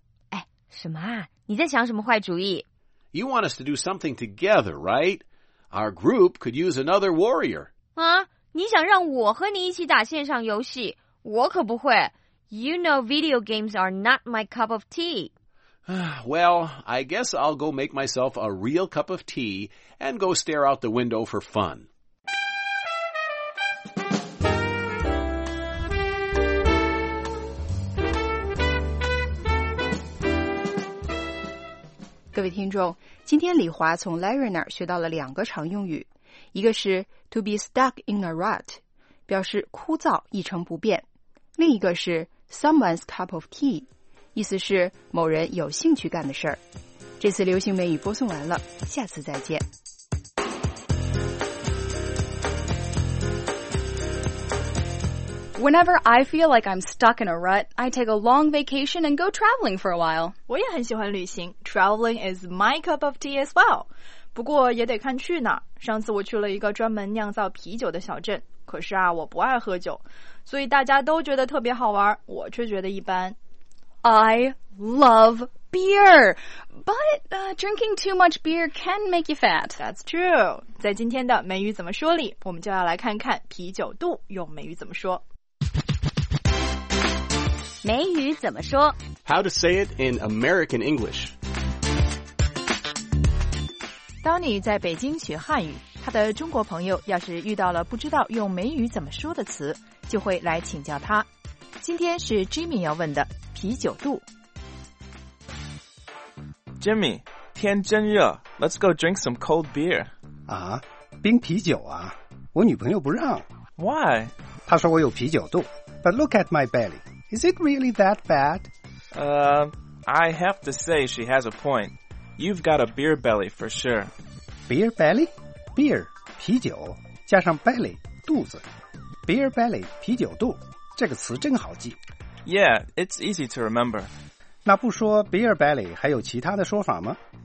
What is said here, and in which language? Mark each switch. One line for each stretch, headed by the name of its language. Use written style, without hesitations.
Chinese: 哎，什么啊？你在想什么坏主意
English: ？You want us to do something together, right? Our group could use another warrior.
Chinese: 啊，你想让我和你一起打线上游戏？我可不会。
English: You know, video games are not my cup of tea. Well, I guess I'll go make myself a real cup of tea and go stare out the window for fun.
Chinese: 各位听众，今天李华从 Larry 那儿学到了两个常用语，一个是
English: to be stuck in a rut，
Chinese: 表示枯燥一成不变；另一个是
English: someone's cup of tea，
Chinese: 意思是某人有兴趣干的事儿。这次流行美语播送完了，下次再见。
English: Whenever I feel like I'm stuck in a rut, I take a long vacation and go traveling for a while.
Chinese: 我也很喜欢旅行
English: Traveling is my cup of tea as well.
Chinese: 不过也得看去哪。上次我去了一个专门酿造啤酒的小镇，可是啊，我不爱喝酒，所以大家都觉得特别好玩，我却觉得一般。
English: I love beer, but drinking too much beer can make you fat. That's true.
Chinese: 在今天的美语怎么说里，我们就要来看看啤酒肚用美语怎么说。美语怎么说
English: How to say it in American English.
Chinese: Donny 在北京学汉语，他的中国朋友要是遇到了不知道用美语怎么说的词，就会来请教他。今天是 Jimmy 要问的啤酒肚。
English: Jimmy,
Chinese: 天真热
English: ,Let's go drink some cold beer.
Chinese: 啊，冰啤酒啊，我女朋友不让。
English: Why?
Chinese: 她说我有啤酒肚。
English: But look at my belly. Is it really that bad? I have to say she has a point. You've got a beer belly for sure. Beer belly?
Chinese: Beer, 啤酒,加上 belly, 肚子。Beer belly, 啤酒肚,这个词真好记。
English: Yeah, it's easy to remember.
Chinese: 那不说 beer belly 还有其他的说法吗?